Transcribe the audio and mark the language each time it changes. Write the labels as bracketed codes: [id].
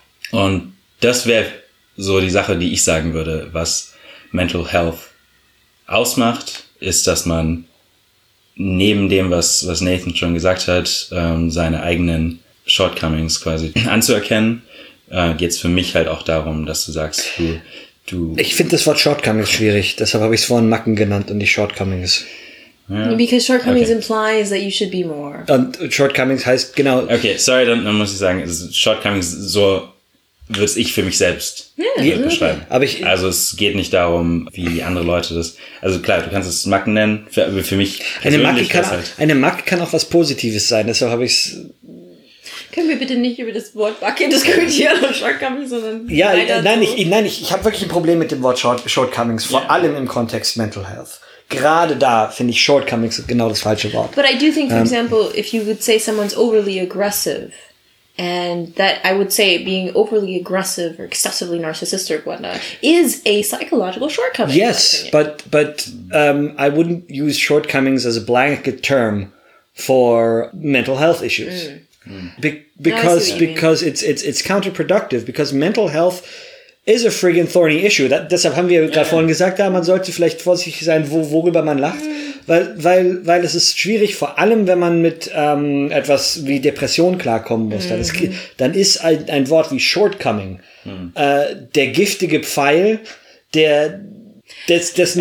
[de] Und das wäre so die Sache, die ich sagen würde, was Mental Health ausmacht, ist, dass man neben dem, was Nathan schon gesagt hat, seine eigenen Shortcomings quasi anzuerkennen, geht es für mich halt auch darum, dass du sagst, du... Ich finde das Wort Shortcomings schwierig, deshalb habe ich es vorhin Macken genannt und nicht Shortcomings. [en] Yeah. Because Shortcomings implies that you should be more. [de] Und Shortcomings heißt genau... Okay, sorry, dann muss ich sagen, Shortcomings so... würde ich für mich selbst beschreiben. Aber ich, also es geht nicht darum, wie andere Leute das... Also klar, du kannst es Macken nennen, für mich persönlich. Eine Macke kann auch was Positives sein, deshalb habe ich es... Können wir bitte nicht über das Wort Bucket diskutieren oder Shortcomings, sondern ja, ich habe wirklich ein Problem mit dem Wort Shortcomings, vor allem im Kontext Mental Health. Gerade da finde ich Shortcomings genau das falsche Wort. [en] But I do think, for example, if you would say someone's overly aggressive, and that I would say being overly aggressive or excessively narcissistic or whatnot is a psychological shortcoming. Yes, but I wouldn't use shortcomings as a blanket term for mental health issues. Because it's counterproductive, because mental health is a friggin' thorny issue. [de] Deshalb haben wir gerade vorhin gesagt, man sollte vielleicht vorsichtig sein, worüber man lacht. Weil es ist schwierig, vor allem wenn man mit etwas wie Depression klarkommen muss. Mm-hmm. Dann ist ein Wort wie Shortcoming der giftige Pfeil, dessen